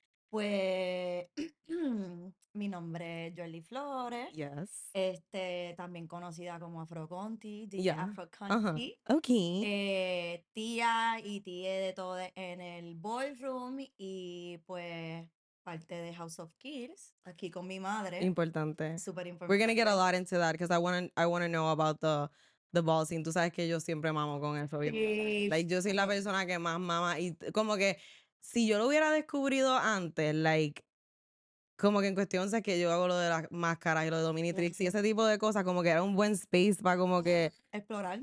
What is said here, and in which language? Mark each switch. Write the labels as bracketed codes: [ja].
[es] Pues, mi nombre es Jordi Flores. [en] Yes. [es] También conocida como Afro Conti, [en] yeah. [es] Afro Conti. [en] Uh-huh. Okay. [es] Tía y tía de todo en el ballroom y pues parte de House of Kills aquí con mi madre. Importante. Súper importante. [en] We're gonna get a lot into that because I wanna know about the ball scene. [es] Tú sabes que yo siempre mamo con el Fabio. Like, yo soy la persona que más mama y como que si yo lo hubiera descubrido antes, like, como que en cuestión, sé que yo hago lo de las máscaras y lo de Dominitrix y ese tipo de cosas, como que era un buen space para como que explorar.